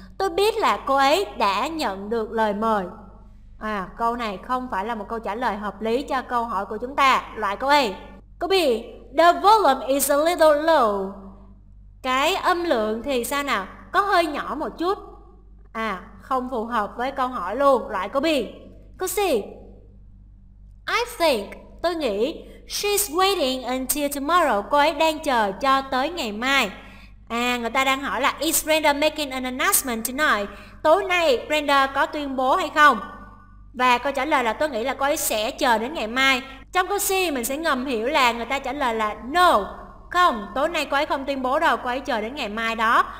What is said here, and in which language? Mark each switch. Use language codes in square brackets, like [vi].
[vi] Tôi biết là cô ấy đã nhận được lời mời. À, câu này không phải là một câu trả lời hợp lý cho câu hỏi của chúng ta. Loại câu A. Câu B. [en] The volume is a little low. [vi] Cái âm lượng thì sao nào? Có hơi nhỏ một chút. À, không phù hợp với câu hỏi luôn. Loại câu B. Câu C. [en] I think, [vi] tôi nghĩ, [en] she's waiting until tomorrow. [vi] Cô ấy đang chờ cho tới ngày mai. À, người ta đang hỏi là [en] is Brenda making an announcement tonight? [vi] Tối nay Brenda có tuyên bố hay không? Và câu trả lời là tôi nghĩ là cô ấy sẽ chờ đến ngày mai. Trong câu C mình sẽ ngầm hiểu là người ta trả lời là [en] no, [vi] không, tối nay cô ấy không tuyên bố đâu, cô ấy chờ đến ngày mai đó.